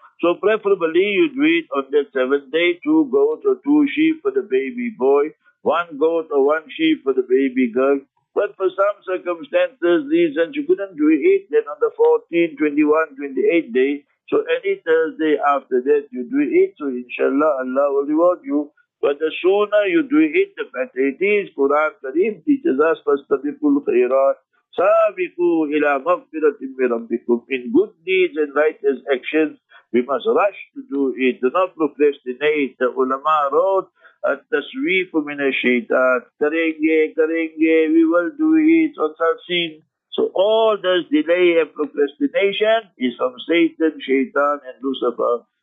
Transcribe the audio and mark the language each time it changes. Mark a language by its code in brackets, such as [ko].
[en] So preferably you do it on the seventh day, two goats or two sheep for the baby boy, one goat or one sheep for the baby girl. But for some circumstances, reasons, you couldn't do it, then on the 14, 21, 28 day, so any Thursday after that, you do it, so inshallah, Allah will reward you. But the sooner you do it, the better it is. Quran Kareem teaches us, [ar] فَاسْتَبِقُوا الْخَيْرَاتِ سَابِقُوا إِلَىٰ مَغْفِرَةٍ بِرَبِّكُمْ. [en] In good deeds and righteous actions, we must rush to do it. Do not procrastinate. The ulama wrote, [ar] أَتَّسْوِيفُ مِنَ الشَّيْطَانِ. [hi] Karenge, karenge, [en] we will do it. So all this delay and procrastination is from Satan, Shaitan and Lucifer.